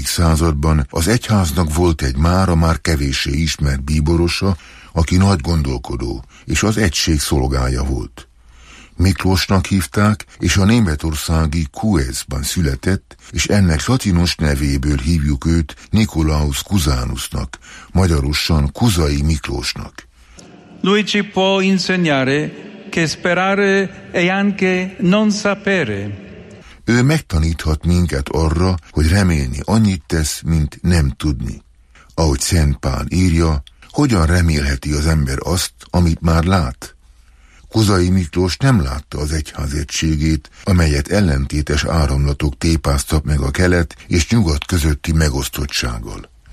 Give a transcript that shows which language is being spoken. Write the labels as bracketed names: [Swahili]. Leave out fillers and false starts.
[Hungarian] században az egyháznak volt egy mára már kevéssé ismert bíborosa, aki nagy gondolkodó és az egység szolgája volt. Miklósnak hívták, és a németországi Kuezben született, és ennek latinos nevéből hívjuk őt Nikolaus Cusanusnak, magyarosan Kuzai Miklósnak. [Italian] Lui ci può insegnare che sperare e anche non sapere. [Hungarian] Ő megtaníthat minket arra, hogy remélni annyit tesz, mint nem tudni. Ahogy Szent Pál írja, hogyan remélheti az ember azt, amit már lát? Kuzai Miklós nem látta az egyház egységét, amelyet ellentétes áramlatok tépáztak meg a kelet és nyugat közötti megosztottsággal.